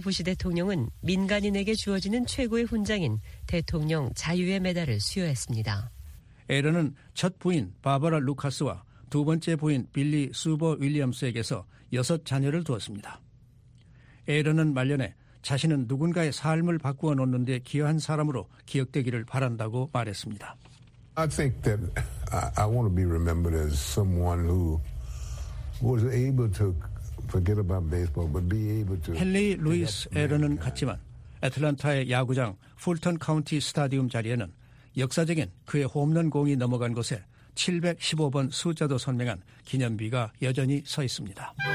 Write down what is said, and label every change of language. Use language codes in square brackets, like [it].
[ko] 부시 대통령은 민간인에게 주어지는 최고의 훈장인 대통령 자유의 메달을 수여했습니다. 에런은 첫 부인 바바라 루카스와 두 번째 부인 빌리 수버 윌리엄스에게서 여섯 자녀를 두었습니다. 에런은 말년에 자신은 누군가의 삶을 바꾸어 놓는 데 기여한 사람으로 기억되기를 바란다고 말했습니다. [en] I think that I want to be remembered as someone who was able to forget about baseball but be able to [ko] 헨리 루이스 에런은 갔지만 애틀란타의 야구장 풀턴 카운티 스타디움 자리에는 역사적인 그의 홈런 공이 넘어간 곳에 715번 숫자도 선명한 기념비가 여전히 서 있습니다.